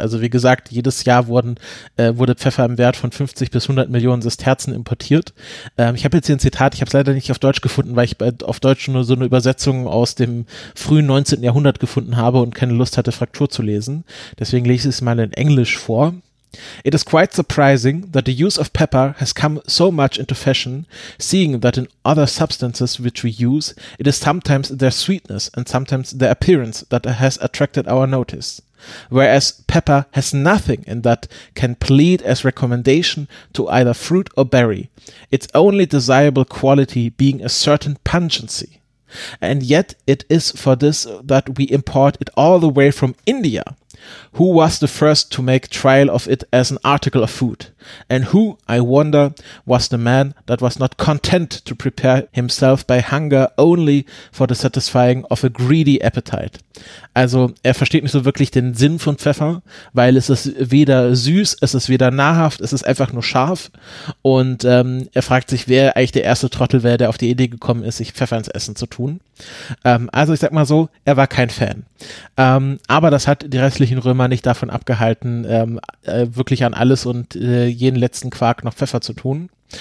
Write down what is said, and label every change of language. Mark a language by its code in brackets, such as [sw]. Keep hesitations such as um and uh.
[de] Also wie gesagt, jedes Jahr wurden, äh, wurde Pfeffer im Wert von 50 bis 100 Millionen Sesterzen importiert. Ähm, ich habe jetzt hier ein Zitat, ich habe es leider nicht auf Deutsch gefunden, weil ich bei, auf Deutsch nur so eine Übersetzung aus dem frühen 19. Jahrhundert gefunden habe und keine Lust hatte, Fraktur zu lesen. Deswegen lese ich es mal in Englisch vor. [en] It is quite surprising that the use of pepper has come so much into fashion, seeing that in other substances which we use, it is sometimes their sweetness and sometimes their appearance that has attracted our notice. Whereas pepper has nothing in that can plead as recommendation to either fruit or berry, its only desirable quality being a certain pungency. And yet it is for this that we import it all the way from India, who was the first to make trial of it as an article of food, and who, I wonder, was the man that was not content to prepare himself by hunger only for the satisfying of a greedy appetite. [de] Also er versteht nicht so wirklich den Sinn von Pfeffer, weil es ist weder süß, es ist weder nahrhaft, es ist einfach nur scharf. Und ähm, er fragt sich, wer eigentlich der erste Trottel wäre, der auf die Idee gekommen ist, sich Pfeffer ins Essen zu tun. Ähm, also ich sag mal so, er war kein Fan. Ähm, aber das hat die restlichen Römer nicht davon abgehalten, ähm, äh, wirklich an alles und äh, jeden letzten Quark noch Pfeffer zu tun.